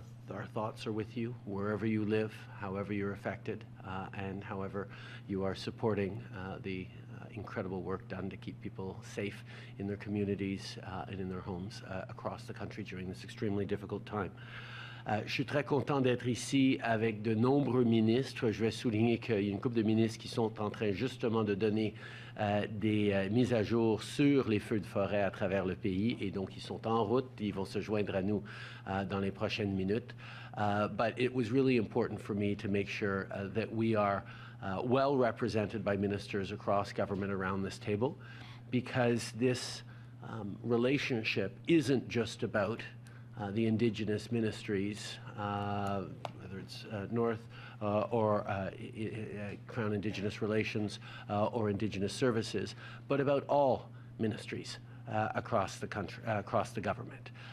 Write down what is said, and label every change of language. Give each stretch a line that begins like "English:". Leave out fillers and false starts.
English: Our thoughts are with you wherever you live, however you're affected, and however you are supporting the incredible work done to keep people safe in their communities and in their homes across the country during this extremely difficult time.
French: Je suis très content d'être ici avec de nombreux ministres. Je vais souligner qu'il y a une couple de ministres qui sont en train justement de donner des mises à jour sur les feux de forêt à travers le pays, et donc ils sont en route. Ils vont se joindre à nous dans les prochaines minutes.
English: But it was really important for me to make sure that we are well represented by ministers across government around this table, because this relationship isn't just about the Indigenous ministries, whether it's North or Crown Indigenous Relations or Indigenous Services, but about all ministries across the country, across the government.